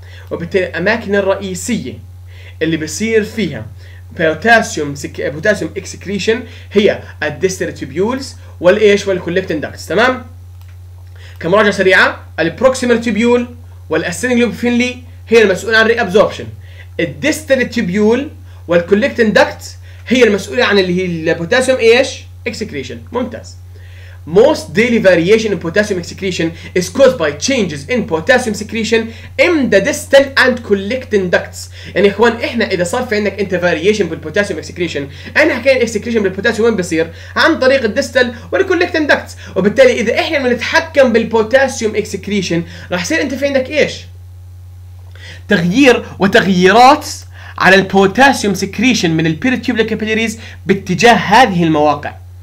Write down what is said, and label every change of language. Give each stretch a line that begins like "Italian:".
Arabic: وبالتالي الاماكن الرئيسيه اللي بيصير فيها بوتاسيوم اكسكريشن هي الديستال تيبيولز والايش والكوليكتن داكتس. تمام؟ كمراجعة سريعة, البروكسيمال تيبيول والاسيندنج لوب فينلي هي المسؤولة عن الري ابزوربشن, الديستال تيبيول والكوليكتن داكت هي المسؤولة عن اللي هي البوتاسيوم ايش اكسكريشن. ممتاز.
English: most daily variation in potassium excretion is caused by changes in potassium secretion in the distal and collecting ducts.
Arabic: يعني اخوان احنا اذا صار في عندك انت variation بالpotassium excretion احنا حكينا excretion بالpotassium وين بصير؟ عن طريق الدستال والcollecting ducts. وبالتالي اذا احنا بنتحكم بالpotassium excretion راح يصير انت في عندك ايش؟ تغيير وتغييرات على البوتاسيوم secretion من peritubular capillaries باتجاه هذه المواقع.